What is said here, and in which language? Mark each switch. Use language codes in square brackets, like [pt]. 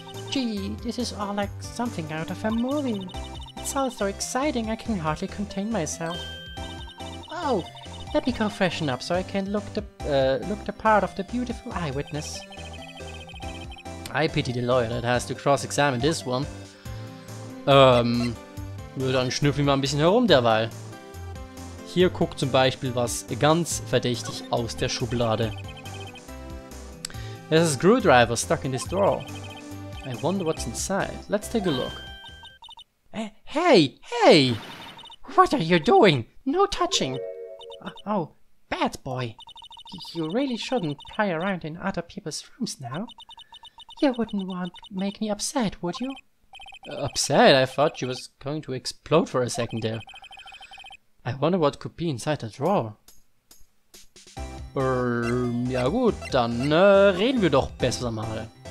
[en] Gee, this is all like something out of a movie. It's all so exciting, I can hardly contain myself. Oh, let me go freshen up so I can look the part of the beautiful eyewitness. I pity the lawyer that has to cross-examine this one. [de] Nur dann schnüffeln wir mal ein bisschen herum derweil. Hier guckt zum Beispiel was ganz verdächtig aus der Schublade. [en] There's a screwdriver stuck in this drawer. I wonder what's inside. Let's take a look. Hey! Hey! What are you doing? No touching! Oh, bad boy. You really shouldn't pry around in other people's rooms now. You wouldn't want to make me upset, would you? Upset? I thought she was going to explode for a second there. I wonder what could be inside the drawer. [de] Ja gut, dann reden wir doch besser mal.